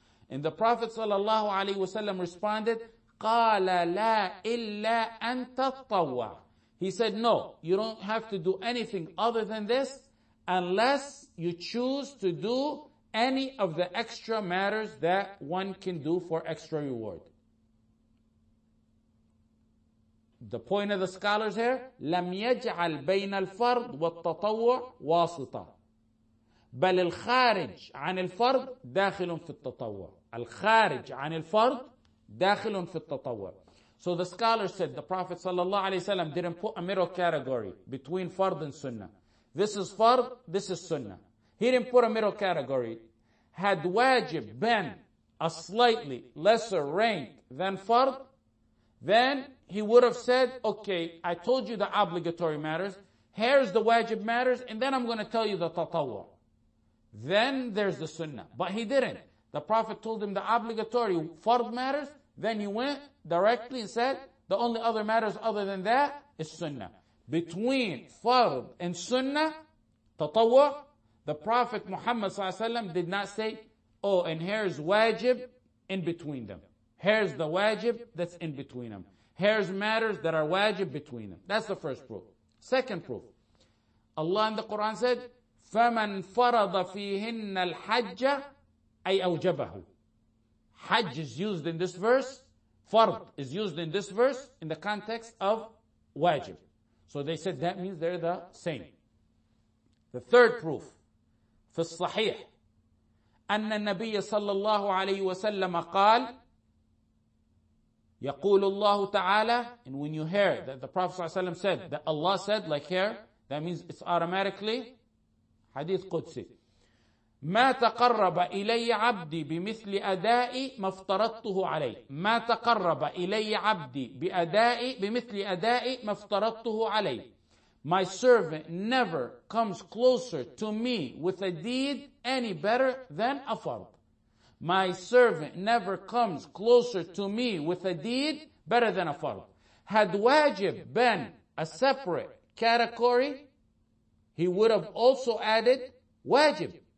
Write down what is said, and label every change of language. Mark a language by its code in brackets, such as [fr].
[en] And the Prophet sallallahu alaihi wasallam responded, [ar] قَالَ لَا إِلَّا أَن تَطَّوَّعَ. [en] He said, no, you don't have to do anything other than this unless you choose to do any of the extra matters that one can do for extra reward. The point of the scholars here, [ar] لَمْ يَجْعَلْ بَيْنَ الْفَرْضِ وَالتَّطَوَّعَ وَاسِطًا بَلِ الْخَارِجِ عَنِ الْفَرْضِ دَاخِلٌ فِي التَّطَوَّعَ. الْخَارِجِ عَنِ الْفَرْضِ دَاخِلٌ فِي التَّطَوَّعِ. [en] So the scholars said the Prophet sallallahu alaihi wasallam didn't put a middle category between fard and sunnah. This is fard, this is sunnah. He didn't put a middle category. Had wajib been a slightly lesser rank than fard, then he would have said, okay, I told you the obligatory matters, here's the wajib matters, and then I'm going to tell you the tatawwa. Then there's the sunnah. But he didn't. The Prophet told him the obligatory fard matters, then he went directly and said, the only other matters other than that is sunnah. Between fard and sunnah, tatawwa, the Prophet Muhammad sallallahu alaihi wasallam did not say, oh, and here's wajib in between them. Here's the wajib that's in between them. Here's matters that are wajib between them. That's the first proof. Second proof. Allah in the Quran said, [ar] فَمَنْ فَرَضَ فِيهِنَّ الْحَجَّ أي أوجبه. [en] Hajj is used in this verse. Fard is used in this verse in the context of wajib. So they said that means they're the same. The third proof. [ar] في الصحيح. أن النبي صلى الله عليه وسلم قال يقول الله تعالى. [en] And when you hear that the Prophet صلى الله عليه وسلم said that Allah said like here, that means it's automatically hadith Qudsi. [ar] ما تقرب إلي عبدي بمثل أدائي ما افترضته عليه. ما تقرب إلي عبدي بأدائي بمثل أدائي ما افترضته عليه. [en] My servant never comes closer to me with a deed any better than a fard. My servant never comes closer to me with a deed better than a fard. Had wajib been a separate category, he would have also added wajib.